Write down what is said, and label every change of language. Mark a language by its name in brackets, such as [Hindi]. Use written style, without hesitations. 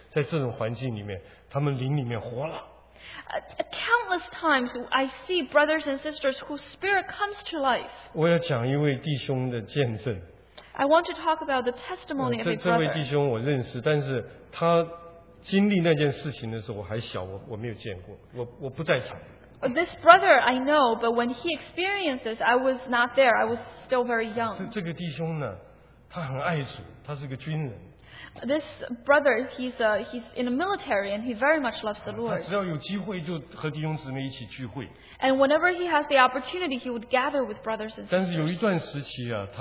[Chinese] 我无数次的我见过弟兄姊妹在这种环境里面，他们灵里面活了。 [English] Countless times I see brothers and sisters whose spirit comes to life. [Chinese] 我要讲一位弟兄的见证。 [English] I want to talk about the testimony of a brother. [Chinese] 这位弟兄我认识，但是他经历那件事情的时候我还小，我没有见过，我不在场。 [English] This brother I know, but when he experienced this, I was not there. I was still very young. [Chinese] 这个弟兄呢，他很爱主，他是个军人。 [English] This brother, he's in the military and he very much loves the Lord. [Chinese] 只要有机会就和弟兄姊妹一起聚会。 [English] And whenever he has the opportunity, he would gather with brothers and sisters.